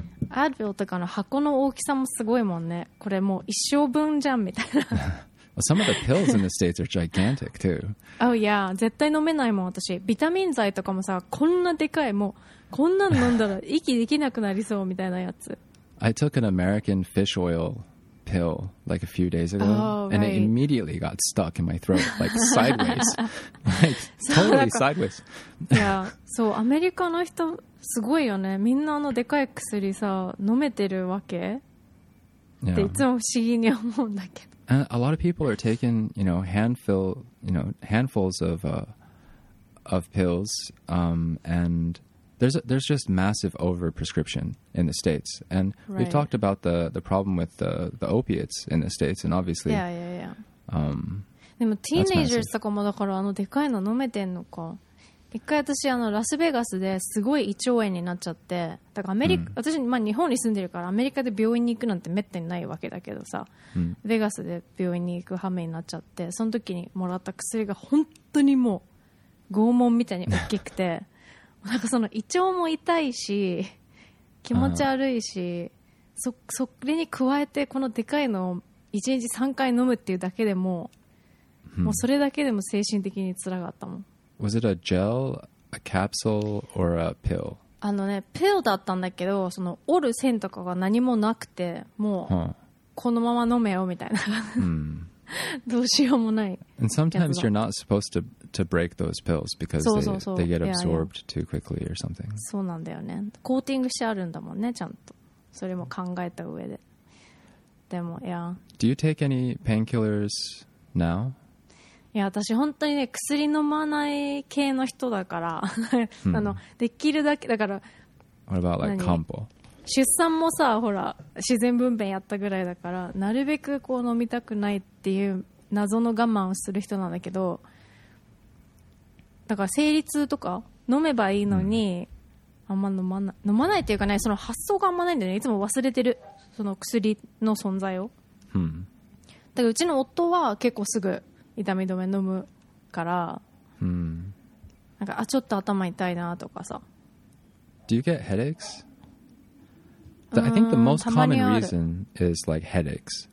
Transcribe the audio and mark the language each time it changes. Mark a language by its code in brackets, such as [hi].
[ja] アドビルとかの箱の大きさもすごいもんね。これもう一生分じゃんみたいな。 [en] Some of the pills in the States are gigantic too. Oh yeah, [ja] 絶対飲めないもん私。ビタミン剤とかもさ、こんなでかい、もうこんなの飲んだら息できなくなりそうみたいなやつ。 [en] I took an American fish oil pill like a few days ago, and it immediately got stuck in my throat, like sideways, like totally sideways. Yeah, so [ja] アメリカの人。すごいよね。みんなあのでかい薬さ飲めてるわけ、 [en] yeah. [ja] っていつも不思議に思うんだけど。 [en] And a lot of people are taking, you know, handfuls of pills, and there's just massive overprescription in the States. And right. we've talked about the problem with the opiates in the States, and obviously, yeah. [ja] でもティーネイジャーとかもだからあのでかいの飲めてんのか。一回私あのラスベガスですごい胃腸炎になっちゃって、だからアメリカ、私、まあ、日本に住んでるからアメリカで病院に行くなんてめったにないわけだけどさ、ベガスで病院に行く羽目になっちゃって、その時にもらった薬が本当にもう拷問みたいに大きくてなんかその胃腸も痛いし気持ち悪いし、それに加えてこのでかいのを1日3回飲むっていうだけでも、もうそれだけでも精神的に辛かったもん。 [en] Was it a gel, a capsule, or a pill? [ja] あのね、ピルだったんだけど、その折る線とかが何もなくて、もうこのまま飲めよみたいな。どうしようもない。 [en] And sometimes you're not supposed to break those pills because they get absorbed too quickly or something. [ja] そうなんだよね。コーティングしてあるんだもんね、ちゃんと。それも考えた上で。でも、いや。 [en] Do you take any painkillers now? [ja] いや私本当にね薬飲まない系の人だからあのできるだけだから [en] What about like [ja] 漢方出産もさほら自然分娩やったぐらいだからなるべくこう飲みたくないっていう謎の我慢をする人なんだけど、だから生理痛とか飲めばいいのに、あんま飲まないっていうかね、その発想があんまないんだよね。いつも忘れてるその薬の存在を。だからうちの夫は結構すぐ痛み止め飲むから、なんかあちょっと頭痛いなとかさ。 [en] Do you get headaches? I think the most common reason is like headaches.